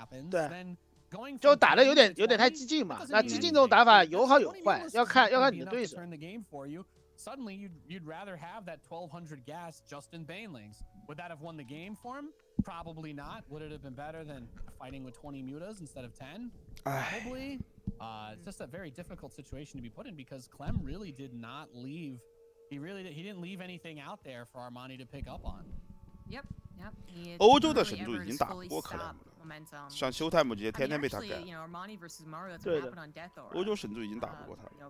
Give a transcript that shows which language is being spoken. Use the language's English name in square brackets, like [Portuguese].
[Chinese] 对，就打得有点太激进嘛，那激进这种打法有好有坏，要看你的对手。 [English] Suddenly, you'd rather have that 1200 gas Justin Banelings. Would that have won the game for him? Probably not. Would it have been better than fighting with 20 mutas instead of 10? Probably. It's just a very difficult situation to be put in because Clem really did not leave. He didn't leave anything out there for Armani to pick up on. Yep, yep. [Chinese] 欧洲的神柱已经打过克莱姆了。像休泰姆这些天天被他干。对的，欧洲神柱已经打不过他